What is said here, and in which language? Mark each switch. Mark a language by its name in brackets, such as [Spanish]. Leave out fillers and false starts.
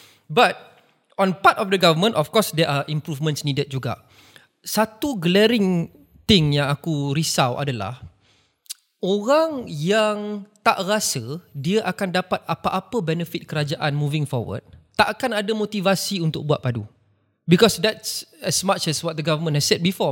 [English] But on part of the government, of course there are improvements needed juga. [Malay] Satu [English] glaring thing [Malay] yang aku risau adalah orang yang tak rasa dia akan dapat apa-apa benefit kerajaan [English] moving forward, [Malay] tak akan ada motivasi untuk buat padu. [English] Because that's as much as what the government has said before.